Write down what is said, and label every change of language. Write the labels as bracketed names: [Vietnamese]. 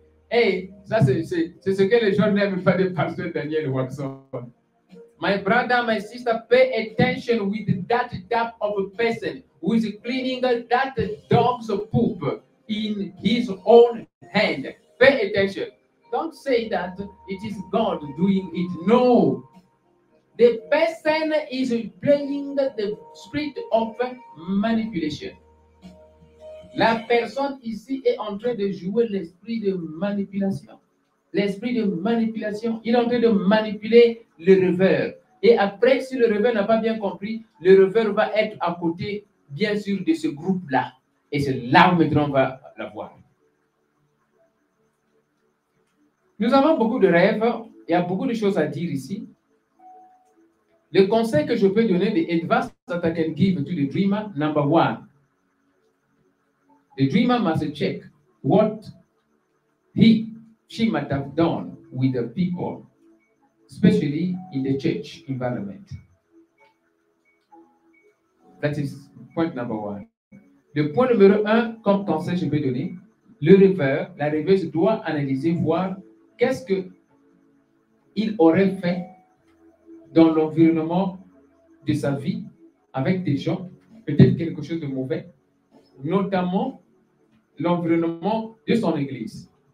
[French] Hey, ça, c'est ce que les gens n'aiment pas de pasteur Daniel Watson. [English] My brother, my sister, pay attention with that type of person who is cleaning that dog's poop in his own hand. Pay attention. Don't say that it is God doing it. No. The person is playing the spirit of manipulation. [French] La personne ici est en train de jouer l'esprit de manipulation. L'esprit de manipulation, il est en train de manipuler le rêveur. Et après, si le rêveur n'a pas bien compris, le rêveur va être à côté, bien sûr, de ce groupe-là. Et c'est là où maintenant on va la voir. Nous avons beaucoup de rêves. Il y a beaucoup de choses à dire ici. Le conseil que je peux donner, [English] the advice that I can give to the dreamer, number one. The dreamer must check what he, she might have done with the people, especially in the church environment. That is point number one. [French] Le point numéro un, comme conseil je peux donner, le rêveur, la rêveuse doit analyser, voir qu'est-ce qu'il aurait fait dans l'environnement de sa vie avec des gens, peut-être quelque chose de mauvais, notamment l'environnement de son église.